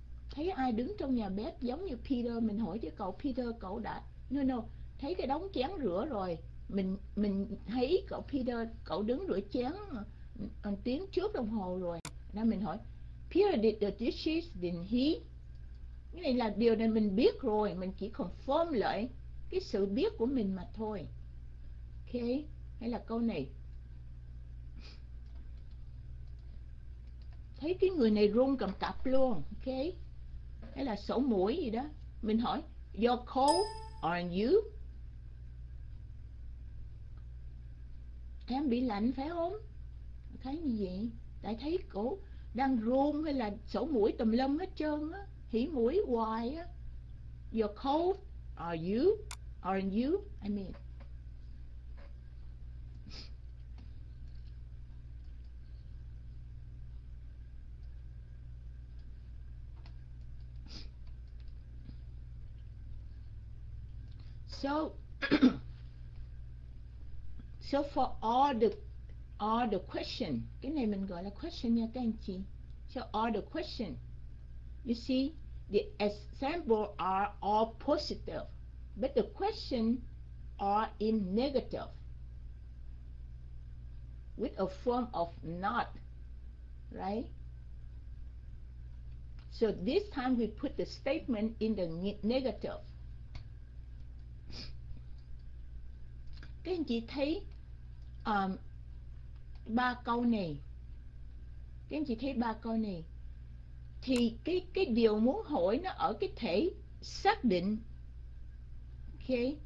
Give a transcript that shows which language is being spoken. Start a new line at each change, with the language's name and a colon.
Vietnamese: Thấy ai đứng trong nhà bếp giống như Peter, mình hỏi chứ cậu Peter, cậu đã No, thấy cái đống chén rửa rồi. Mình thấy cậu Peter, cậu đứng rửa chén còn tiếng trước đồng hồ rồi. Nên mình hỏi
English: Peter did the dishes, didn't he?
Vietnamese: Cái này là điều này mình biết rồi, mình chỉ confirm lại cái sự biết của mình mà thôi. Ok. Hay là câu này, thấy cái người này run cầm cập luôn. Ok. Hay là sổ mũi gì đó, mình hỏi
English: you're cold, aren't you?
Vietnamese: Em bị lạnh phải không? Thấy như vậy, tại thấy cổ đang run hay là sổ mũi tùm lum hết trơn á, hỉ mũi hoài á.
English: You're cold, are you? Aren't you? I mean. So for all the question,
Vietnamese: cái này mình gọi là question nha các anh chị.
English: So all the question, you see, the example are all positive, but the question are in negative, with a form of not, right? So this time we put the statement in the negative.
Vietnamese: Các anh chị thấy ba câu này, các anh chị thấy ba câu này thì cái điều muốn hỏi nó ở cái thể xác định. Ok.